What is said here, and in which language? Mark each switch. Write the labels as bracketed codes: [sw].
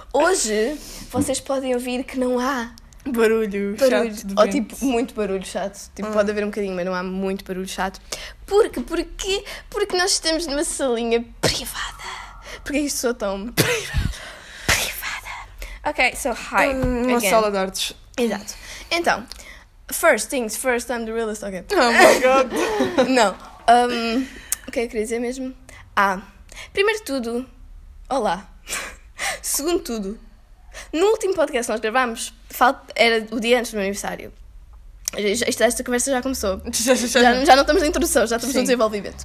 [pt] Hoje vocês podem ouvir que não há. Barulho chato. Ou tipo, muito barulho chato. Tipo, pode haver um bocadinho, mas não há muito barulho chato. Porque? Porque? Porque nós estamos numa salinha privada. Porque isto sou tão privada. [en] Ok, so hi. [pt] Uma sala de artes. Exato. Então, [en] first things first, I'm the realist. [pt] Ok. [en] Oh my god. [pt] Não. O que é que eu queria dizer mesmo? Ah, primeiro de tudo, olá. Segundo tudo, no último podcast que nós gravámos, era o dia antes do meu aniversário. Esta conversa já começou. Já não estamos na introdução, já estamos, sim, no desenvolvimento.